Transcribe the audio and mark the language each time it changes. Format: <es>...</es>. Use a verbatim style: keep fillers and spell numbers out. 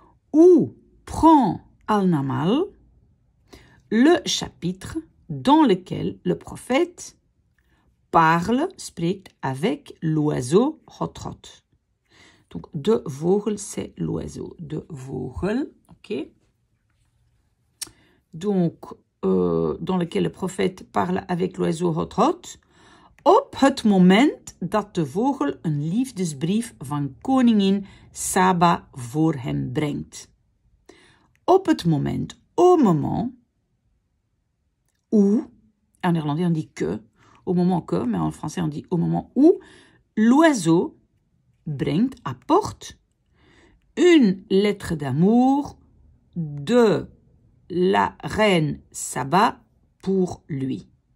<fr>Ou prend al-Namal le chapitre dans lequel le prophète parle, spreekt avec l'oiseau Hot-Hot. Donc,</fr> <nl>de vogel,</nl> <fr>c'est l'oiseau.</fr> <nl>De vogel,</nl> <fr>ok. Donc, euh, dans lequel le prophète parle avec l'oiseau Hot-Hot.</fr> <nl>Op het moment dat de vogel een liefdesbrief van koningin Saba voor hem brengt. Op het moment,</nl> <fr>au moment... Où, en néerlandais on dit que, au moment que, mais en français on dit au moment où, l'oiseau brengt, apporte une lettre d'amour de la reine Saba pour lui.</fr>